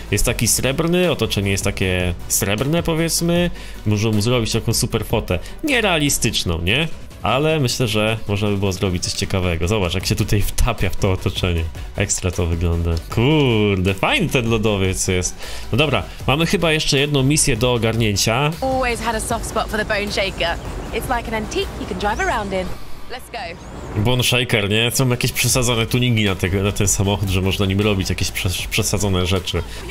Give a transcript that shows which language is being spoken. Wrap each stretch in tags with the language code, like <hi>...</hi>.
<pl>Jest taki srebrny, otoczenie jest takie srebrne, powiedzmy, można mu zrobić taką super fotę, nierealistyczną, nie? Ale myślę, że można by było zrobić coś ciekawego, zobacz, jak się tutaj wtapia w to otoczenie. Ekstra to wygląda. Kurde, fajny ten lodowiec jest. No dobra, mamy chyba jeszcze jedną misję do ogarnięcia.</pl> <en>Always had a soft spot for the bone shaker. It's like an antique you can drive around in. Let's go. Bone shaker,</en> <pl>nie? Są jakieś przesadzone tuningi na ten samochód, że można nim robić jakieś przesadzone rzeczy.</pl>